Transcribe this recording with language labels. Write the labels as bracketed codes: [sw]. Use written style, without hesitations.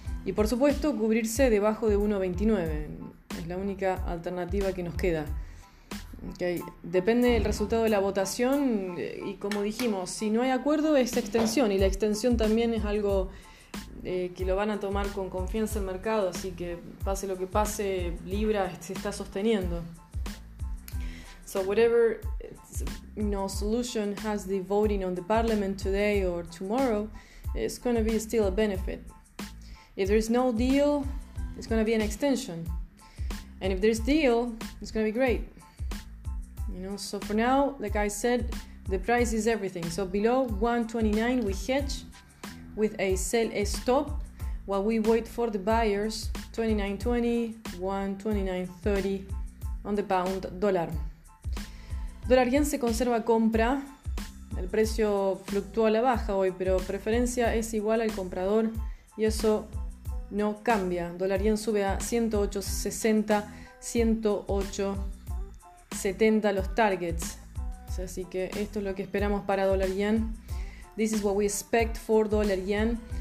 [es] Y por supuesto, cubrirse debajo de 1.29 es la única alternativa que nos queda. Okay. Depende del resultado de la votación y como dijimos, si no hay acuerdo es extensión y la extensión también es algo que lo van a tomar con confianza el mercado, así que pase lo que pase, Libra se está sosteniendo. [en] So whatever no solution has the voting on the parliament today or tomorrow, it's going to be still a benefit. If there is no deal, it's going to be an extension. And if there is deal, it's going to be great. You know, so for now, like I said, the price is everything. So below 1.29, we hedge with a sell stop while we wait for the buyers 29.20, 1.2930 on the pound dollar. [es] Dólar yen se conserva compra. El precio fluctúa a la baja hoy, pero preferencia es igual al comprador y eso no cambia. Dólar yen sube a 108.60, 108.70 los targets. Así que esto es lo que esperamos para dólar yen. [en] This is what we expect for dollar yen.